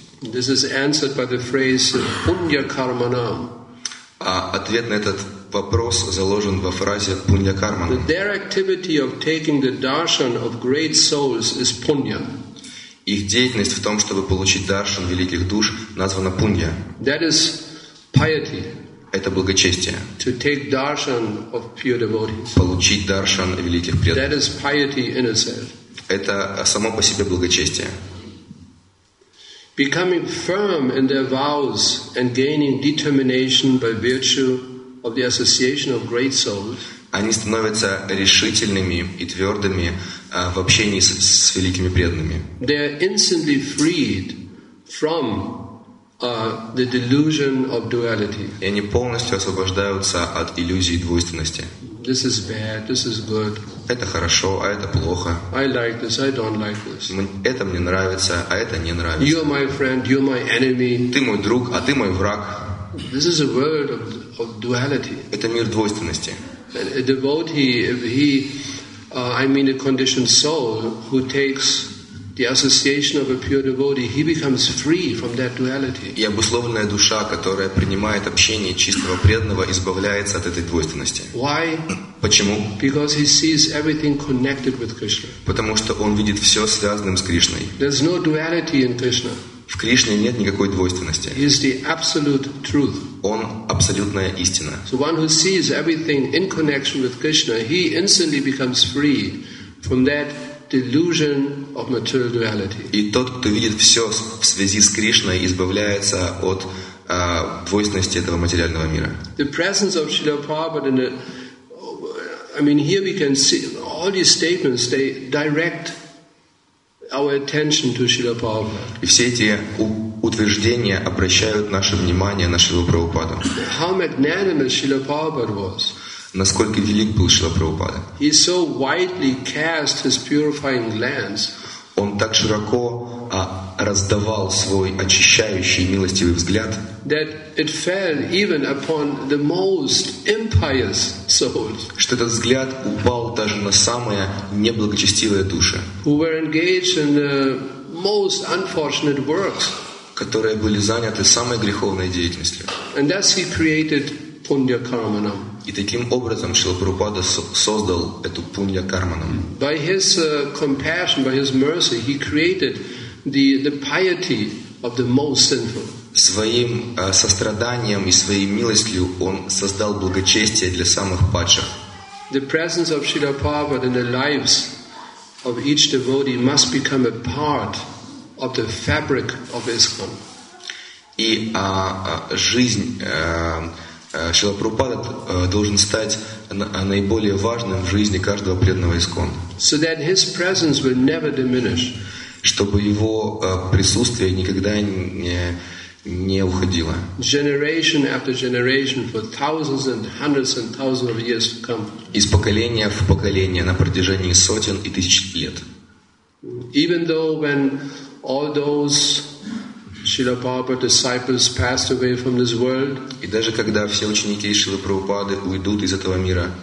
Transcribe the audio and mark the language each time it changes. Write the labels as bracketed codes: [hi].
[en] This is answered by the phrase punya karmanam. [ru] А ответ на этот вопрос заложен во фразе пунья карманам. [en] The their activity of taking the darshan of great souls is punya. [ru] Их деятельность в том, чтобы получить даршан великих душ, названа пунья. [en] That is piety. [ru] Это благочестие. [en] To take darshan of pure devotees. [ru] Получить даршан великих преданных. [en] That is piety in itself. [ru] Это само по себе благочестие. [en] Becoming firm in their vows and gaining determination by virtue of the association of great souls. [ru] Они становятся решительными и твердыми в общении с великими преданными. [en] They are instantly freed from the delusion of duality. [ru] И они полностью освобождаются от иллюзии двойственности. [en] This is bad, this is good. [ru] Это хорошо, а это плохо. [en] I like this, I don't like this. [ru] Это мне нравится, а это не нравится. [en] You are my friend, you are my enemy. [ru] Ты мой друг, а ты мой враг. [en] This is a world of duality. [ru] Это мир двойственности. [en] A devotee, if he, I mean a conditioned soul, who takes the association of a pure devotee, he becomes free from that duality. [ru] И обусловленная душа, которая принимает общение чистого преданного, избавляется от этой двойственности. [en] Why? [ru] Почему? [en] Because he sees everything connected with Krishna. [ru] Потому что он видит все связанным с Кришной. [en] There's no duality in Krishna. [ru] В Кришне нет никакой двойственности. [en] He is the absolute truth. [ru] Он абсолютная истина. [en] So one who sees everything in connection with Krishna, he instantly becomes free from that delusion of material duality. [ru] И тот, кто видит все в связи с Кришной, избавляется от двойственности этого материального мира. [en] The presence of Srila Prabhupada, here we can see all these statements. They direct our attention to Srila Prabhupada. [ru] И все эти утверждения обращают наше внимание на Шрилу Прабхупаду. [en] How magnanimous Srila Prabhupada was. [ru] Насколько велик был Шрила Прабхупада. [en] He so widely cast his purifying glance. [ru] Он так широко раздавал свой очищающий и милостивый взгляд. [en] That it fell even upon the most impious souls. [ru] Что этот взгляд упал даже на самые неблагочестивые души. [en] Who were engaged in the most unfortunate works. [ru] Которые были заняты самой греховной деятельностью. [en] And thus he created punya karmana. [ru] И таким образом Шрила Прабхупада создал эту пунья карманам. [en] By his compassion, by his mercy, he created the piety of the most sinful. [ru] Своим состраданием и своей милостью он создал благочестие для самых падших. [en] The presence of Srila Prabhupada in the lives of each devotee must become a part of the fabric of ISKCON. [ru] И жизнь Шрила Прабхупада должен стать наиболее важным в жизни каждого преданного ИСККОН. [en] So that his presence will never diminish. [ru] Чтобы его присутствие никогда не уходило. [en] Generation after generation for thousands and hundreds and thousands of years to come. [ru] Из поколения в поколение на протяжении сотен и тысяч лет. [en] Even though when all those Srila Prabhupada's disciples passed away from this world. [ru] И даже когда все ученики Шрилы Прабхупады уйдут из этого мира.